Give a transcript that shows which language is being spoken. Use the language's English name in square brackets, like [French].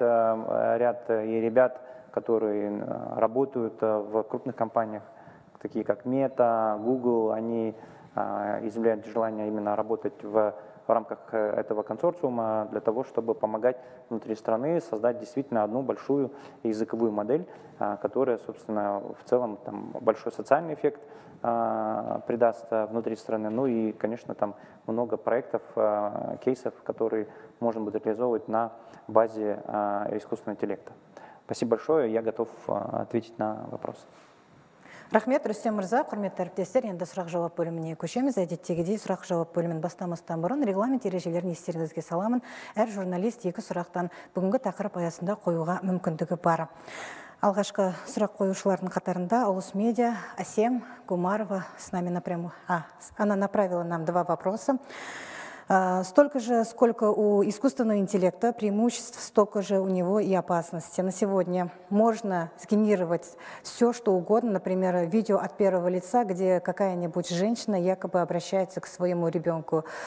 [Russian] Ряд и ребят, которые работают в крупных компаниях, такие как Meta, Google, они изъявляют желание именно работать в рамках этого консорциума для того, чтобы помогать внутри страны создать действительно одну большую языковую модель, которая, собственно, в целом там большой социальный эффект придаст внутри страны. Ну и, конечно, там много проектов, кейсов, которые можно будет реализовывать на базе искусственного интеллекта. Спасибо большое, я готов ответить на вопросы. [Kazakh] Рахмет, Рүстем Мырза, құрметті әріптестер, енді сұрақ-жауап бөліміне көшеміз. Әдеттегідей сұрақ-жауап бөлімін бастамастан бұрын регламент ережелерін естеріңізге саламын. Әр журналист екі сұрақтан бүгінгі тақырып аясында қоюға мүмкіндігі бар. Алғашқы сұрақ қойушылардың қатарында Олыс Медиа, Асем Гумарова [Russian] с нами напрямую. Она направила нам два вопроса. Столько же, сколько у искусственного интеллекта преимуществ, столько же у него и опасности. На сегодня можно сгенерировать все, что угодно. Например, видео от первого лица, где какая-нибудь женщина якобы обращается к своему ребенку.